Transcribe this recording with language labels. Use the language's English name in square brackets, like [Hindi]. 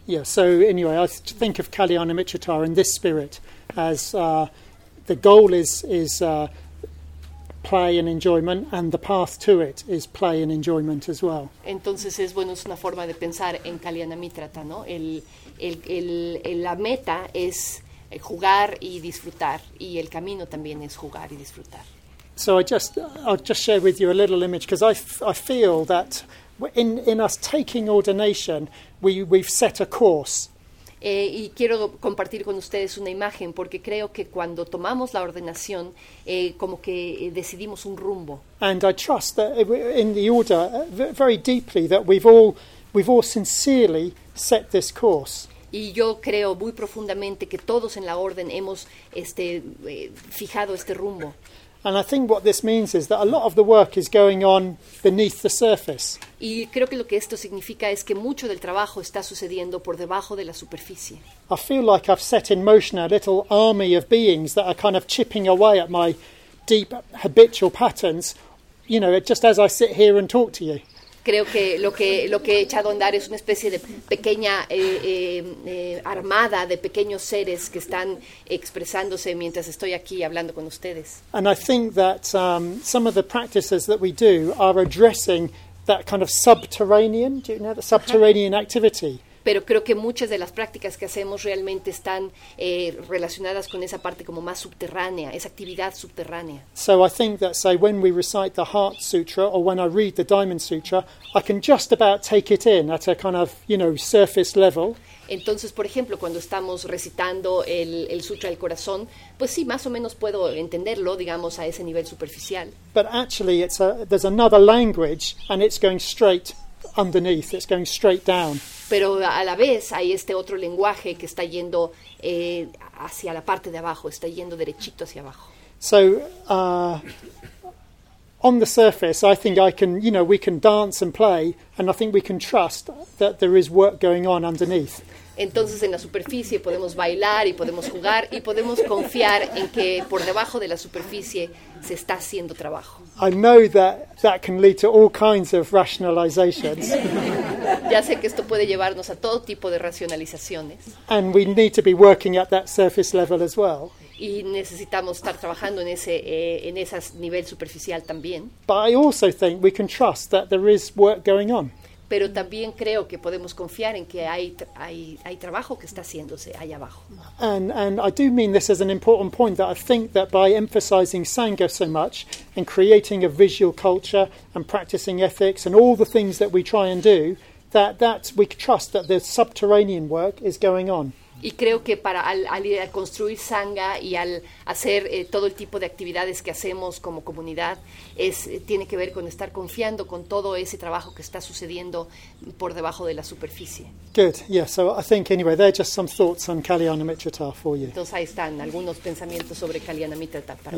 [English] Yeah, so anyway, I think of Kalyanamitratara in this spirit as... The goal is play and enjoyment, and the path to it is play and enjoyment as well. [Spanish] Entonces es bueno, es una forma de pensar en Kalyanamitrata, ¿no? La meta es jugar y disfrutar, y el camino también es jugar y disfrutar. [English] So I'll just share with you a little image, because I feel that in us taking ordination, we've set a course. [Spanish] Y quiero compartir con ustedes una imagen, porque creo que cuando tomamos la ordenación, como que decidimos un rumbo. [English] And I trust that in the order, very deeply, that we've all sincerely set this course. [Spanish] Y yo creo muy profundamente que todos en la orden hemos fijado este rumbo. [English] And I think what this means is that a lot of the work is going on beneath the surface. [Spanish] Y creo que lo que esto significa es que mucho del trabajo está sucediendo por debajo de la superficie. [English] I feel like I've set in motion a little army of beings that are kind of chipping away at my deep habitual patterns, you know, just as I sit here and talk to you. [Spanish] Creo que lo que he echado a andar es una especie de pequeña armada de pequeños seres que están expresándose mientras estoy aquí hablando con ustedes. [English] And I think that some of the practices that we do are addressing that kind of subterranean, do you know, the subterranean activity. [Spanish] Pero creo que muchas de las prácticas que hacemos realmente están relacionadas con esa parte como más subterránea, esa actividad subterránea. [English] So I think that, say, when we recite the Heart Sutra or when I read the Diamond Sutra, I can just about take it in at a kind of, you know, surface level. [Spanish] Entonces, por ejemplo, cuando estamos recitando el Sutra del Corazón, pues sí, más o menos puedo entenderlo, digamos, a ese nivel superficial. [English] But actually, there's another language and it's going straight underneath, it's going straight down. [Spanish] Pero a la vez hay este otro lenguaje que está yendo hacia la parte de abajo, está yendo derechito hacia abajo. [English] So, on the surface, I think I can, you know, we can dance and play, and I think we can trust that there is work going on underneath. [Spanish] Entonces, en la superficie podemos bailar y podemos jugar y podemos confiar en que por debajo de la superficie se está haciendo trabajo. [English] I know that that can lead to all kinds of rationalizations. [Spanish] Ya sé que esto puede llevarnos a todo tipo de racionalizaciones. [English] And we need to be working at that surface level as well. [Spanish] Y necesitamos estar trabajando en ese nivel superficial también. [English] But I also think we can trust that there is work going on. [Spanish] Pero también creo que podemos confiar en que hay trabajo que está haciéndose allá abajo. [English] And I do mean this as an important point, that I think that by emphasizing Sangha so much and creating a visual culture and practicing ethics and all the things that we try and do, that we trust that the subterranean work is going on. [Spanish] Y creo que para al construir Sangha y al hacer todo el tipo de actividades que hacemos como comunidad, tiene que ver con estar confiando con todo ese trabajo que está sucediendo por debajo de la superficie. [English] Good, yeah, so I think anyway, there are just some thoughts on Kalyanamitratha for you. [Spanish] Entonces ahí están algunos pensamientos sobre Kalyanamitratha para